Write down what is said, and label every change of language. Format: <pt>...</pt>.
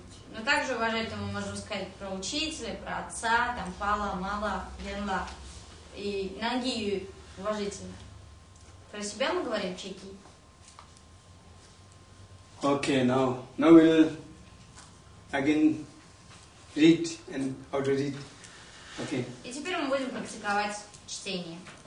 <ru>Но также уважительно мы можем сказать про учителя, про отца, там пала, мала, генла и нанги ю уважительно. Про себя мы говорим чеки.</ru> <en>Okay, now we'll again read and how to read. Okay.</en> <ru>И теперь мы будем практиковать чтение.</ru>